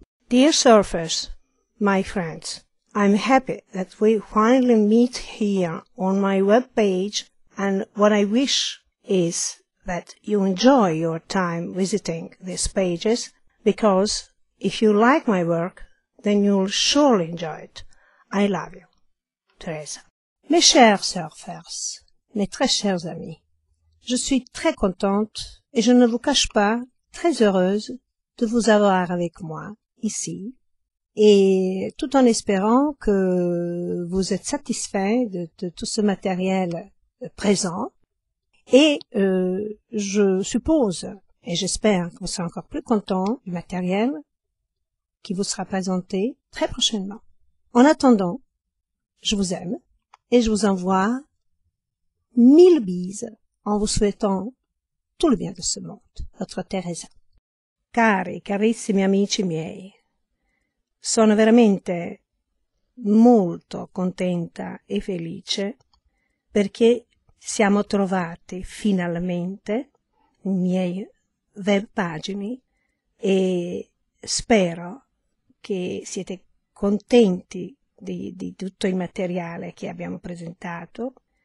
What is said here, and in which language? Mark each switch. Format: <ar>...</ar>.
<en>Dear surfers, my friends, I'm happy that we finally meet here on my webpage and what I wish is that you enjoy your time visiting these pages because if you like my work, then you'll surely enjoy it. I love you. Teresa.</en> <fr>Mes chers surfers, mes très chers amis, je suis très contente et je ne vous cache pas, très heureuse de vous avoir avec moi ici et tout en espérant que vous êtes satisfaits de tout ce matériel présent et je suppose et j'espère que vous serez encore plus contents du matériel qui vous sera présenté très prochainement. En attendant, je vous aime et je vous envoie 1000 bises en vous souhaitant tout le bien de ce monde. Votre Teresa.</fr> <it>Cari, carissimi amici miei, sono veramente molto contenta e felice perché siamo trovati finalmente in miei web pagine e spero che siete contenti di tutto il materiale che abbiamo presentato</it>